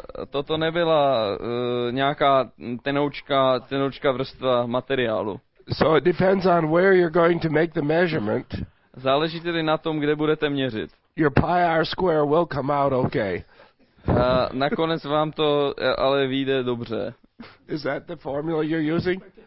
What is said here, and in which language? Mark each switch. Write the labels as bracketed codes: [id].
[cs] Toto nebyla nějaká tenoučka vrstva materiálu. [en] So it depends on where you're going to make the measurement. [cs] Záleží tedy na tom, kde budete měřit. [en] Your pi r square will come out okay. [cs] Nakonec vám to ale vyjde dobře. [en] Is that the formula you're using?